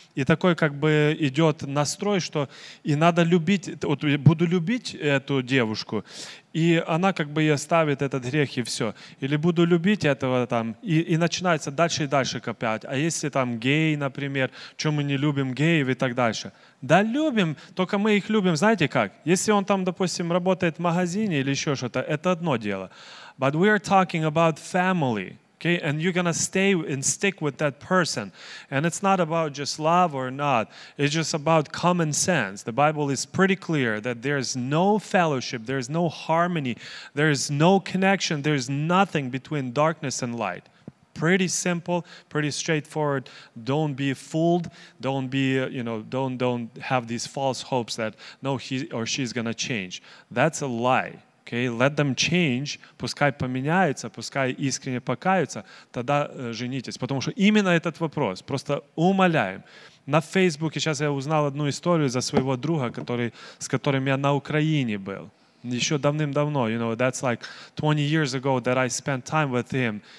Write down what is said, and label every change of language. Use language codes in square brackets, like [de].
[ru] И такой как бы идет настрой, что и надо любить, вот буду любить эту девушку, и она как бы и оставит этот грех, и все. Или буду любить этого там, и начинается дальше и дальше копать. А если там гей, например, что мы не любим геев и так дальше. Да любим, только мы их любим, знаете как? Если он там, допустим, работает в магазине или еще что-то, это одно дело. [en] But we are talking about family. Okay, and you're going to stay and stick with that person. And it's not about just love or not. It's just about common sense. The Bible is pretty clear that there's no fellowship, there's no harmony, there's no connection, there's nothing between darkness and light. Pretty simple, pretty straightforward. Don't be fooled. Don't be, you know, don't have these false hopes that, no, he or she's going to change. That's a lie. Okay, let them change, [ru] пускай поменяются, пускай искренне покаются, тогда женитесь. Потому что именно этот вопрос, просто умоляем. На Фейсбуке сейчас я узнал одну историю за своего друга, с которым я на Украине был. Еще давным-давно, [en] you know, that's like 20 years ago that I spent time with him.